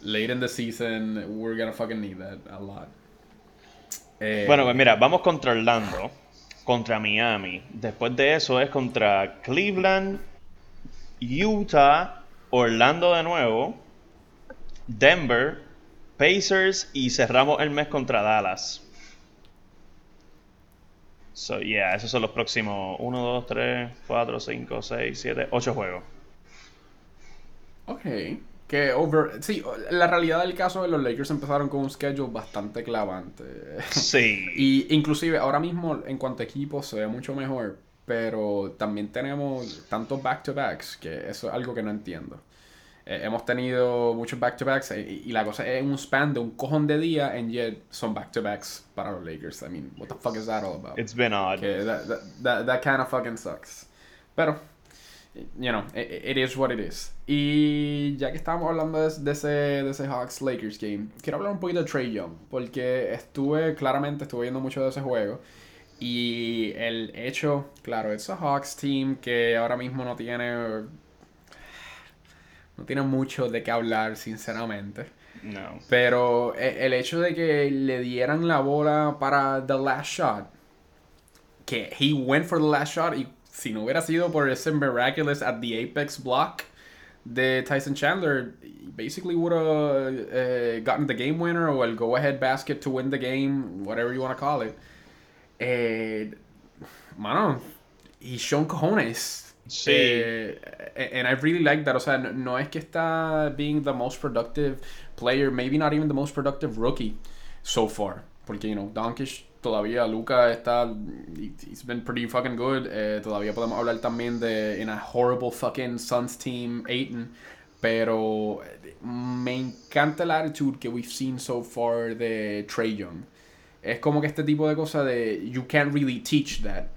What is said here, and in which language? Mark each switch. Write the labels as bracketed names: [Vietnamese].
[English] Late in the season, we're gonna fucking need that a lot. [Spanish] Bueno, pues mira, vamos contra Orlando, contra Miami. Después de eso es contra Cleveland, Utah, Orlando de nuevo, Denver, Pacers y cerramos el mes contra Dallas. [English] So, yeah, [Spanish] esos son los próximos 1, 2, 3, 4, 5, 6, 7, 8 juegos. Ok. Sí, la realidad del caso es que los Lakers empezaron con un schedule bastante clavante. Sí. Y inclusive ahora mismo, en cuanto a equipo, se ve mucho mejor. Pero también tenemos tantos back-to-backs, que eso es algo que no entiendo. Hemos tenido muchos back-to-backs y la cosa es un span de un cojón de día, [English] and yet [Spanish] son back-to-backs para los Lakers. [English] I mean, what the fuck is that all about? It's been odd. Okay, that kind of fucking sucks. Pero, you know, it is what it is. [Spanish] Y ya que estábamos hablando de ese Hawks-Lakers game, quiero hablar un poquito de Trae Young, porque estuve viendo mucho de ese juego. Y el hecho, claro, [English] it's a Hawks team [Spanish] que ahora mismo no tiene mucho de qué hablar, sinceramente. No. Pero el hecho de que le dieran la bola para [English] the last shot, que he went for the last shot, [Spanish] y si no hubiera sido por ese [English] miraculous at the apex block de Tyson Chandler, basically would have gotten the game winner or el go-ahead basket to win the game, whatever you want to call it. Mano, he's shown cojones. [Spanish] Sí. [English] And I really like that. [Spanish] O sea, no es que está [English] being the most productive player, maybe not even the most productive rookie so far. Porque, you know, Doncic todavía, Luca está, he's been pretty fucking good. [Spanish] Todavía podemos hablar también de [English] in a horrible fucking Suns team, Ayton. [Spanish] Pero me encanta la attitude que [English] we've seen so far [Spanish] de Trae Young. Es como que este tipo de cosas de [English] you can't really teach that.